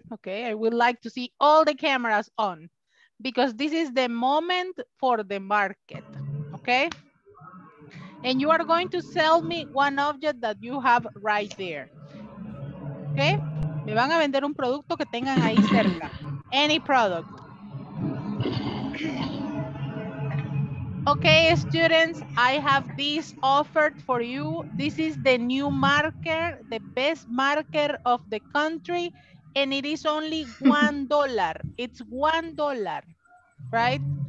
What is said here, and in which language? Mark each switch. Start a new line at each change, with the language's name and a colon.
English: Okay, I would like to see all the cameras on because this is the moment for the market. Okay. And you are going to sell me one object that you have right there. Okay?
Spanish: Me van a vender un producto que tengan ahí cerca.
English: Any product. Okay, students, I have this offered for you. This is the new marker, the best marker of the country. And it is only $1. It's $1, right?